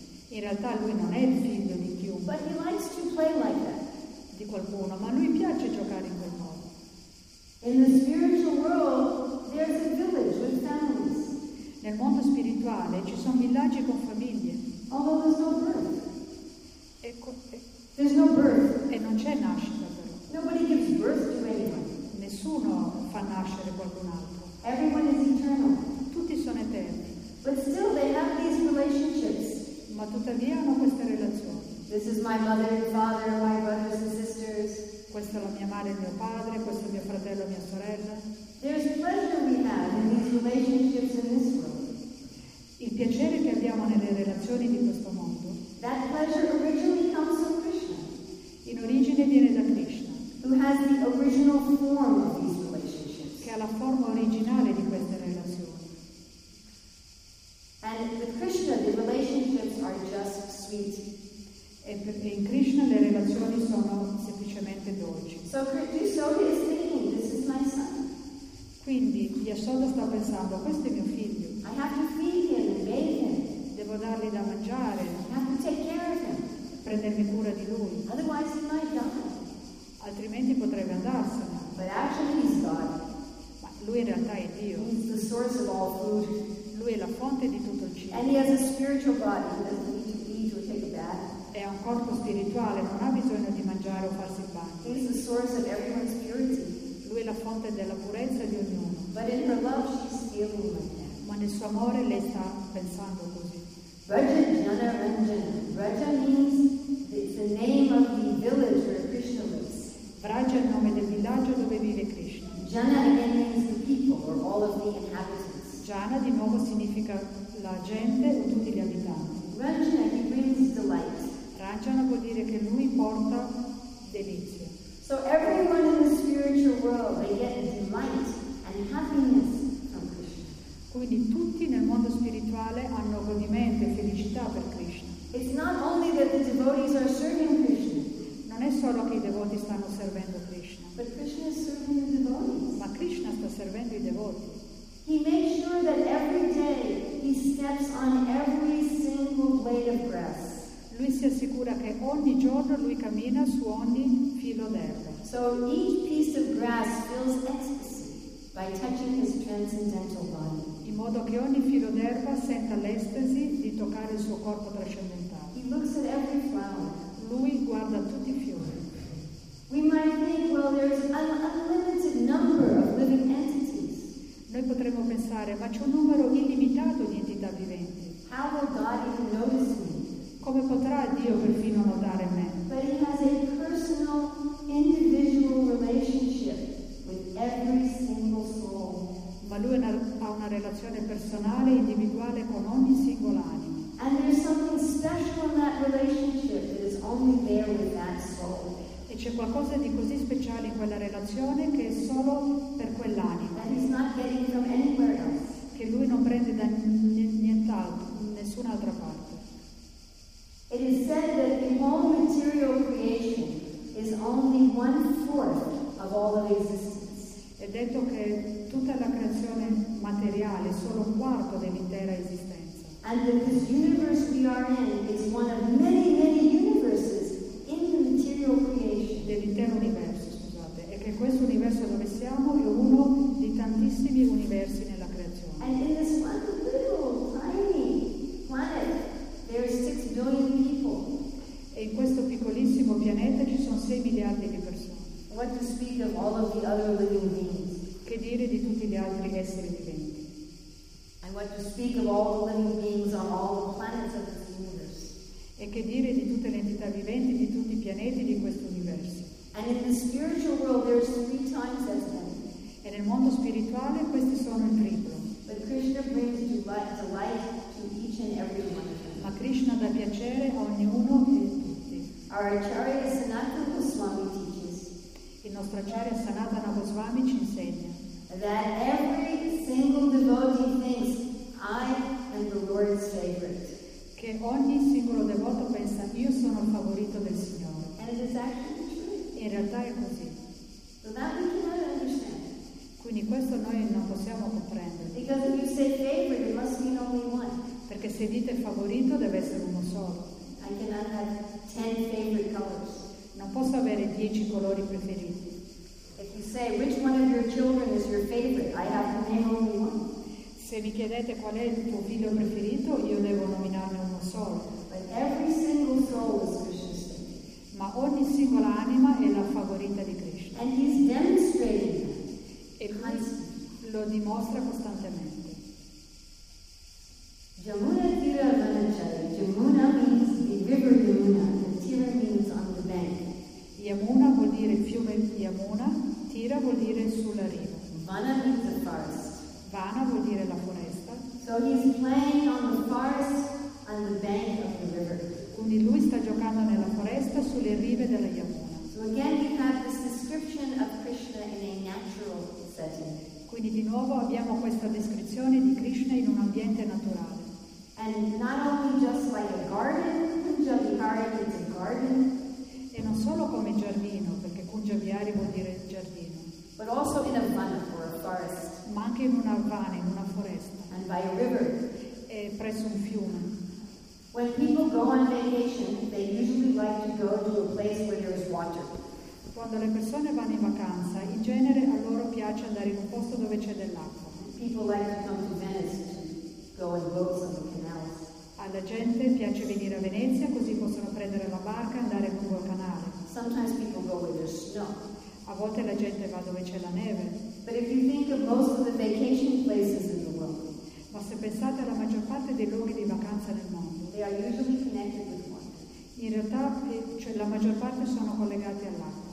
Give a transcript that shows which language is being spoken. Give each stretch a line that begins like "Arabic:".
Italian: In realtà lui non è il figlio di chiunque.
English: But he likes to play like that.
Italian: Di qualcuno, ma lui piace giocare in quel modo.
English: In the spiritual world, there's a village with families.
Italian: Nel mondo spirituale ci sono villaggi con famiglie.
English: Although there's no birth. There's no birth.
Italian: E non c'è nascita però.
English: Nobody gives birth to anyone.
Italian: Nessuno fa nascere qualcun altro.
English: Everyone is eternal.
Italian: Tutti sono eterni.
English: But still they have these relationships.
Italian: Ma tuttavia hanno queste relazioni.
English: This is my mother and father, my brothers and sisters.
Italian: Questa è la mia madre e mio padre, questo è mio fratello e mia sorella.
English: There's pleasure we have in these relationships in this world.
Italian: Il piacere che abbiamo nelle relazioni di questo mondo.
English: That pleasure originally comes from Krishna.
Italian: In origine viene da Krishna.
English: Who has the original form of these relationships.
Italian: Che ha la forma originale di queste relazioni.
English: And with Krishna the relationships are just sweet.
Italian: E in Krishna le relazioni sono semplicemente dolci.
English: So Yasoda is thinking, this is my son.
Italian: Quindi Yasoda sta pensando, questo è mio figlio.
English: I have to feed him and bathe him.
Italian: Devo dargli da mangiare.
English: I have to take care of him.
Italian: Prendermi cura di lui.
English: Otherwise he might die.
Italian: Altrimenti potrebbe andarsene.
English: But actually he's God.
Italian: Ma lui in realtà è Dio.
English: He's the source of all food.
Italian: Lui è la fonte di tutto il cibo.
English: And he has a spiritual body. He doesn't need to eat or take a bath.
Italian: È un corpo spirituale, non ha bisogno di mangiare o farsi il bagno.
English: He's the source of everyone's purity.
Italian: Lui è la fonte della purezza di ognuno.
English: But in her love she's feeling like that.
Italian: Ma nel suo amore lei sta pensando così.
Sanskrit: Raja Jana Ranjan.
English: Raja means it's the name of the village where Krishna lives.
Italian: Vraja è il nome del villaggio dove vive Krishna.
English: Jana again means the people or all of the inhabitants.
Italian: Jana di nuovo significa la gente o tutti gli abitanti.
English: Ranjana, he brings delight.
Italian: Ranjana vuol dire che lui porta delizia.
English: So everyone in the spiritual world they get delight and happiness from Krishna.
Italian: Quindi tutti nel mondo spirituale hanno godimento e felicità per Krishna.
English: It's not only that the devotees are serving Krishna.
Italian: Non è solo che i devoti stanno servendo Krishna.
English: But Krishna is serving the devotees.
Italian: Ma Krishna sta servendo i devoti.
English: He makes sure that every day he steps on every single blade of grass.
Italian: Lui si assicura che ogni giorno lui cammina su ogni filo d'erba.
English: So each piece of grass feels ecstasy by touching his transcendental body.
Italian: In modo che ogni filo d'erba senta l'estasi di toccare il suo corpo trascendentale.
English: He looks at every flower.
Italian: Lui guarda tutti i fiori.
English: We might think, well, there is an unlimited number of living entities.
Italian: Noi potremmo pensare, ma c'è un numero illimitato di entità viventi.
English: How will God even notice me?
Italian: Come potrà Dio perfino notare me?
English: But he has a personal, individual relationship with every single soul.
Italian: Ma lui ha una relazione personale, individuale con ogni singolo animo.
English: And there's something special in that relationship that is only there with that soul.
Italian: E c'è qualcosa di così speciale in quella relazione che è solo per quell'anima.
English: And he's not getting from anywhere else.
Italian: Che lui non prende da nient'altro, nessun'altra parte.
English: It is said that the whole material creation is only one fourth of all of existence.
Italian: È detto che tutta la creazione materiale è solo un quarto dell'intera esistenza.
English: And that this universe we are in is one of many, many universes in the material creation.
Italian: Dell'intero universo, scusate. E che questo universo dove siamo è uno di tantissimi universi nella creazione.
English: And in this one little, tiny planet, there are 6 billion people.
Italian: E in questo piccolissimo pianeta ci sono 6 miliardi di persone.
English: What to speak of all of the other living beings?
Italian: Che dire di tutti gli altri esseri viventi?
English: And what to speak of all the living beings on all the planets of this universe?
Italian: E che dire di tutte le entità viventi di tutti I pianeti di questo universo?
English: And in the spiritual world, there are 3 times as many.
Italian: E nel mondo spirituale questi sono il triplo.
English: But Krishna brings delight to each and every one of them.
Italian: Ma Krishna dà piacere a ognuno e a tutti.
English: Our Acharya Sanatana Goswami teaches.
Italian: Il nostro Acharya Sanatana Goswami ci insegna
English: that every single devotee thinks I am the Lord's favorite.
Italian: Che ogni singolo devoto pensa io sono il favorito del Signore.
English: And it is actually true.
Italian: In realtà è così.
English: So that we cannot understand.
Italian: Quindi questo noi non possiamo comprendere.
English: Because if you say favorite, it must mean only one.
Italian: Perché se dite favorito deve essere uno solo.
English: I cannot have 10 favorite colors.
Italian: Non posso avere 10 colori preferiti.
English: If you say which one of your children is your favorite, I have to name only one.
Italian: Se vi chiedete qual è il tuo figlio preferito, io devo nominarne uno solo.
English: But every single soul is Krishna's.
Italian: Ma ogni singola anima è la favorita di Krishna.
English: And he's demonstrating that.
Italian: E lui lo dimostra costantemente.
English: Jamuna Tira Vanachari. Jamuna means the river Yamuna. Tira means on the bank.
Italian: Yamuna vuol dire fiume Yamuna. Tira vuol dire sulla riva.
English: Vana means the forest.
Italian: Vana vuol dire la foresta.
English: So he's playing on the forest on the bank of the river.
Italian: Quindi lui sta giocando nella foresta sulle rive della Yamuna.
English: So again we have this description of Krishna in a natural setting.
Italian: Quindi di nuovo abbiamo questa descrizione di Krishna in un ambiente naturale.
English: And not only just like a garden, Kunjabihari means a garden.
Italian: E non solo come giardino, perché Kunjabihari vuol dire giardino.
English: But also in a vana or a forest.
Italian: Ma anche in una vana, in una foresta.
English: And by a river.
Italian: E presso un fiume.
English: When people go on vacation, they usually like to go to a place where there is water.
Italian: Quando le persone vanno in vacanza, in genere a loro piace andare in un posto dove c'è dell'acqua.
English: People like to come to Venice to go on boats on the canals.
Italian: Alla gente piace venire a Venezia così possono prendere la barca e andare lungo il canale.
English: Sometimes people go where there's snow.
Italian: A volte la gente va dove c'è la neve.
English: But if you think of most of the vacation places in the world,
Italian: ma se pensate alla maggior parte dei luoghi di vacanza nel mondo,
English: they are usually connected with water.
Italian: In realtà, cioè, la maggior parte sono collegati all'acqua.